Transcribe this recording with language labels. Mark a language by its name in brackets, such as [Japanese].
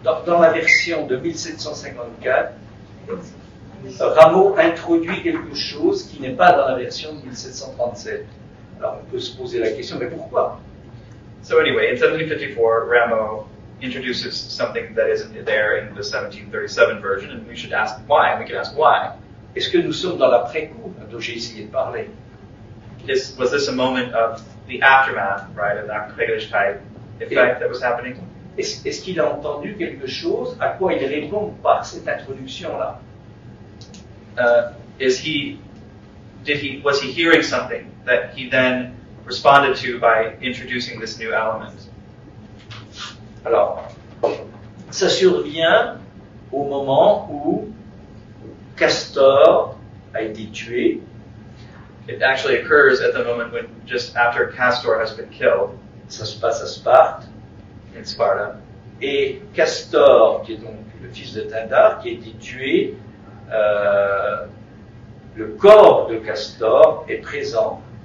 [French] Dans la version de 1754, Rameau introduit quelque chose qui n'est pas dans la version de 1737. Alors, on peut se poser la question, mais pourquoi? [English] So anyway, in 1754, Rameau introduces something that isn't there in the 1737 version, and we should ask why. We can ask why. [French] Est-ce que nous sommes dans l'après-coup dont j'ai essayé de parler? [English] Was this a moment of the aftermath, right, of that Kriegerzeit effect that was happening? [French] Est-ce qu'il a entendu quelque chose à quoi il répond par cette introduction-là? [English] Was he hearing something that he then responded to by introducing this new element? [French] Alors, ça survient au moment où Castor a été tué. [English] It actually occurs at the moment when, just after Castor has been killed. [French] Ça se passe à Sparte. [English] In Sparta. [French] Et Castor, qui est donc le fils de Tindar, qui a été tué, le corps de Castor est présent.